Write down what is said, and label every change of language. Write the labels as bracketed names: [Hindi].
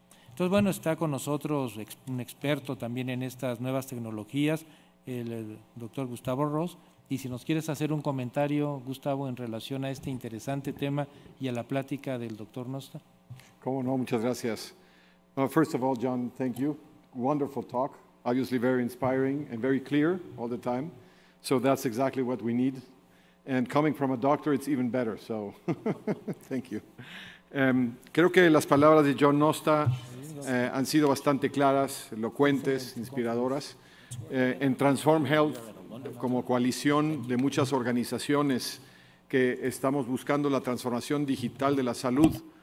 [Spanish] Entonces, bueno, está con nosotros un experto también en estas nuevas tecnologías, el doctor Gustavo Ross, y si nos quieres hacer un comentario, Gustavo, en relación a este interesante tema y a la plática del doctor Nosta. Cómo no, muchas gracias. [English] First of all, John, thank you. Wonderful talk, obviously very inspiring and very clear all the time. So that's exactly what we need. And coming from a doctor, it's even better, so thank you. [Spanish] Creo que las palabras de John Nosta han sido bastante claras, elocuentes, inspiradoras. En Transform Health, como coalición de muchas organizaciones que estamos buscando la transformación digital de la salud,